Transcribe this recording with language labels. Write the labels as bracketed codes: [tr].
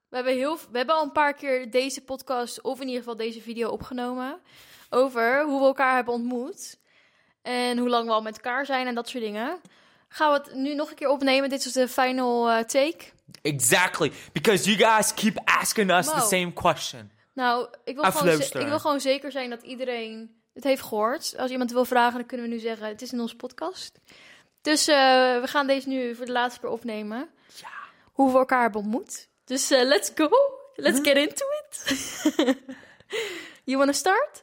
[nl] We hebben al een paar keer deze podcast... of in ieder geval deze video opgenomen... over hoe we elkaar hebben ontmoet... en hoe lang we al met elkaar zijn en dat soort dingen. Gaan we het nu nog een keer opnemen? Dit is de final take. [en] Exactly. Because you guys keep asking us the same question. [nl] Nou, ik wil gewoon zeker zijn dat iedereen het heeft gehoord. Als iemand wil vragen, dan kunnen we nu zeggen, het is in onze podcast. Dus we gaan deze nu voor de laatste keer opnemen. Ja. Hoe we elkaar hebben ontmoet. [en] Dus let's go. Let's get into it. You want to start?